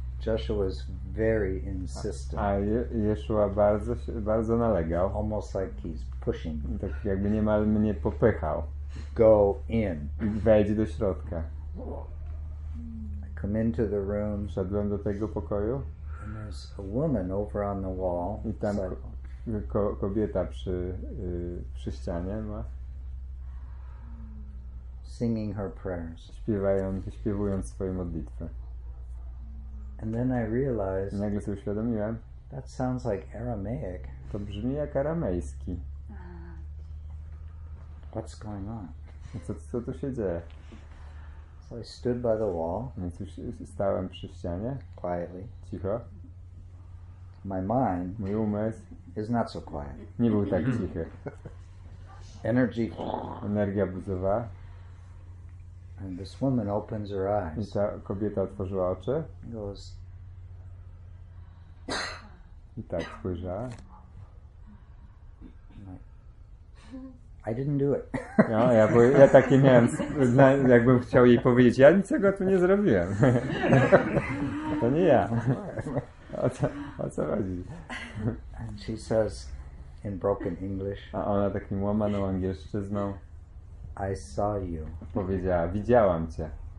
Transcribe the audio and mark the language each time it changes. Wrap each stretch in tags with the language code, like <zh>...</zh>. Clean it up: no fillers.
<en>Joshua was very insistent.</en> <pl>A Joshua bardzo nalegał.</pl> <en>Almost like he's pushing.</en> <pl>Tak jakby niemal mnie popychał.</pl> <en>Go in.</en> <pl>Wejdź do środka.</pl> <en>I come into the room.</en> <pl>Szedłem do tego pokoju.</pl> <en>And there's a woman over on the wall.</en> <pl>I tam kobieta przy ścianie ma.</pl> <en>Singing her prayers.</en> <pl>Śpiewując swoje modlitwy.</pl> <en>And then I realized.</en> <pl>Nagle sobie uświadomiłem.</pl> <en>That sounds like Aramaic.</en> <pl>To brzmi jak aramejski.</pl> <en>What's going on?</en> <pl>Co tu się dzieje?</pl> <en>So I stood by the wall.</en> <pl>Więc stałem przy ścianie.</pl> <en>Quietly.</en> <pl>Cicho.</pl> <en>My mind.</en> <pl>Mój umysł.</pl> <en>Is not so quiet.</en> <pl>Nie był tak cichy.</pl> <en>Energy.</en> <pl>Energia buzowała.</pl> <en>And this woman opens her eyes.</en> <pl>I ta kobieta otworzyła oczy.</pl> <en>Goes.</en> <pl>I tak spojrzała.</pl> <en>I didn't do it.</en> <pl>No, ja taki miałem, jakbym chciał jej powiedzieć, ja niczego tu nie zrobiłem. To nie ja. O co chodzi?</pl> <en>And she says in broken English.</en> <pl>A ona takim łamaną angielszczyzną.</pl> <en>I saw you.</en> <pl>Powiedziała, widziałam cię.</pl>